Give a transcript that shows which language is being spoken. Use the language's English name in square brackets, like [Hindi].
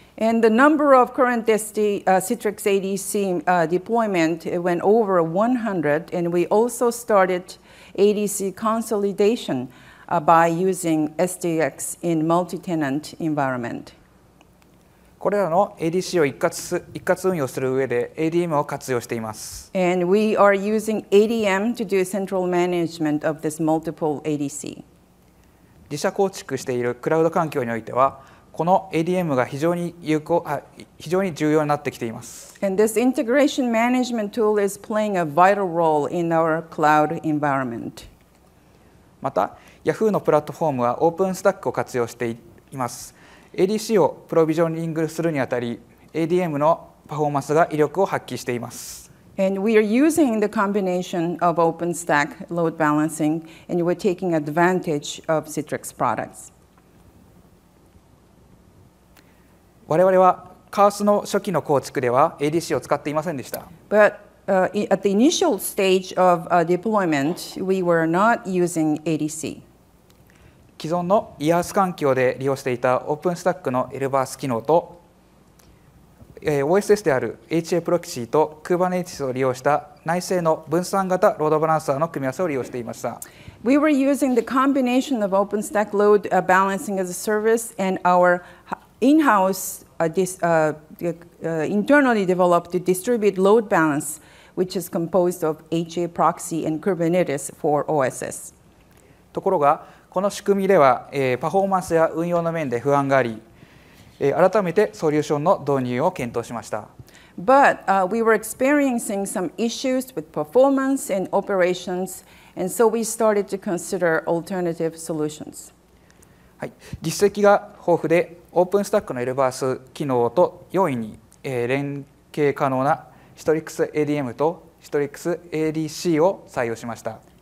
[English] And the number of current Citrix ADC deployment went over 100, and we also started ADC consolidation by using SDX in multi-tenant environment. [Japanese] これらの ADC を一括運用する上で ADM を活用しています。 [English] And we are using ADM to do central management of this multiple ADC. [Japanese] 自社構築しているクラウド環境においては、この ADM が非常に重要になってきています。 [English] And this integration management tool is playing a vital role in our cloud environment. [Japanese] また、Yahoo のプラットフォームは OpenStack を活用しています。 ADC をプロビジョニングするにあたり、ADM のパフォーマンスが威力を発揮しています。 [English] And we are using the combination of OpenStack load balancing, and we're taking advantage of Citrix products. [Japanese] 我々はカースの初期の構築では ADC を使っていませんでした。 [English] But, at the initial stage of deployment, we were not using ADC. [Japanese] 既存の IaaS 環境で利用していた OpenStack の Elbars 機能と、OSS である HA Proxy と Kubernetes を利用した内製の分散型ロードバランサーの組み合わせを利用していました。 [English] We were using the combination of OpenStack load balancing as a service and our in-house internally developed distributed load balance which is composed of HA proxy and Kubernetes for OSS. [Japanese] ところが、この仕組みでは、パフォーマンスや運用の面で不安があり、改めてソリューションの導入を検討しました。 [English] But, we were experiencing some issues with performance and operations, and so we started to consider alternative solutions. [Japanese] はい、実績が豊富で、オープンスタックのエルバース機能と容易に、連携可能な Citrix ADM と Citrix ADC を採用しました。